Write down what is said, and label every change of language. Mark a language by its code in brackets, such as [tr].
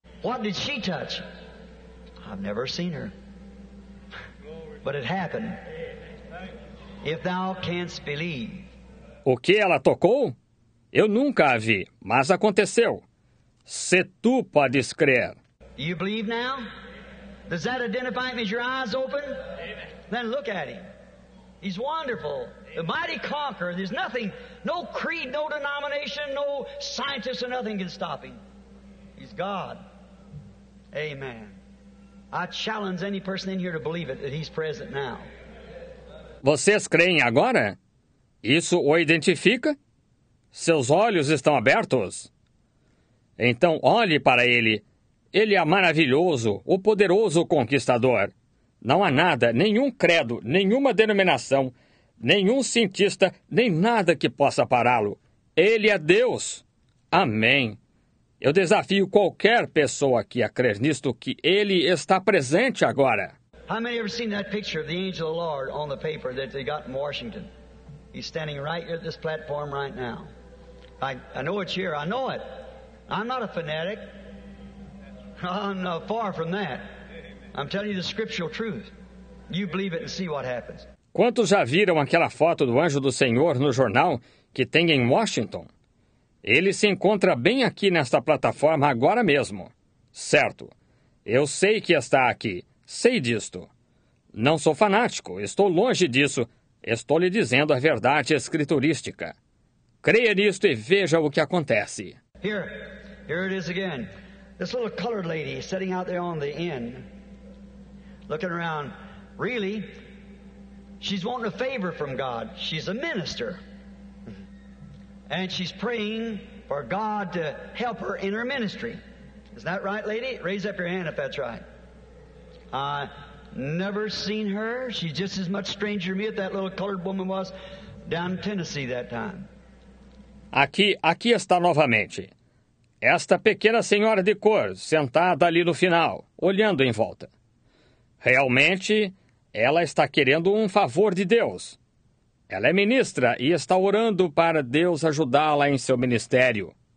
[en] What did she touch? I've never seen her. But it happened. If thou canst believe. [pt] O que ela tocou? Eu nunca a vi, mas aconteceu. Se tu podes crer. [en] Do you believe now? Does that identify him as your eyes open? Amen. Then look at him. He's wonderful. Amen. A mighty conqueror. There's nothing, no creed, no denomination, no scientist, or nothing can stop him. He's God. Amen. I challenge any person in here to believe it, that he's present now. [pt] Vocês creem agora? Isso o identifica? Seus olhos estão abertos? Então olhe para ele. Ele é maravilhoso, o poderoso conquistador. Não há nada, nenhum credo, nenhuma denominação, nenhum cientista, nem nada que possa pará-lo. Ele é Deus. Amém. Eu desafio qualquer pessoa aqui a crer nisto que ele está presente agora. [en] How many ever seen that picture of the angel of the Lord on the paper that they got in Washington? He's standing right here at this platform right now. I know it's here. I know it. I'm not a fanatic. I'm far from that. I'm telling you the scriptural truth. You believe it and see what happens. [pt] Quantos já viram aquela foto do anjo do Senhor no jornal que tem em Washington? Ele se encontra bem aqui nesta plataforma agora mesmo. Certo. Eu sei que está aqui. Sei disto. Não sou fanático. Estou longe disso. Estou lhe dizendo a verdade escriturística. Creia nisto e veja o que acontece. [en] Here it is again. This little colored lady sitting out there on the end, looking around. Really, she's wanting a favor from God. She's a minister. And she's praying for God to help her in her ministry. Is that right, lady? Raise up your hand if that's right. I never seen her. She's just as much stranger to me as that little colored woman was down in Tennessee that time. [pt] Aqui está novamente. Esta pequena senhora de cor, sentada ali no final, olhando em volta. Realmente, ela está querendo um favor de Deus. Ela é ministra e está orando para Deus ajudá-la em seu ministério.